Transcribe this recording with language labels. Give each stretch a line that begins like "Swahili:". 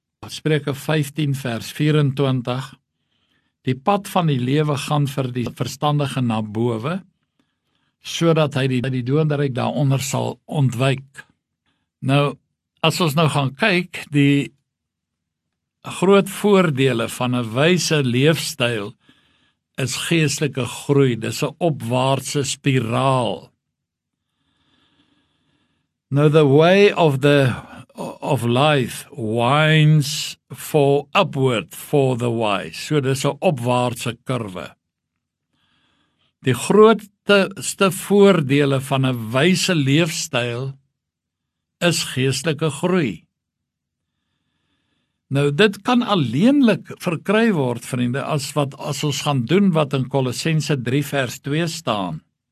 Afrikaans: Spreuke 15 vers 24. Die pad van die lewe gaan vir die verstandige na bowe, sodat hy die doodryk daaronder sal ontwyk. Nou, as ons nou gaan kyk, die groot voordele van 'n wyse leefstyl is geestelike groei, dis 'n opwaartse spiraal.
English: Now the way of the of life winds for upward for the wise.
Afrikaans: So dis 'n opwaartse kurwe. Die grootste voordele van 'n wyse leefstyl is geestelike groei. Nou, dit kan alleenlik verkry word, vriende, as ons gaan doen wat in Kolossense 3 vers 2 staan.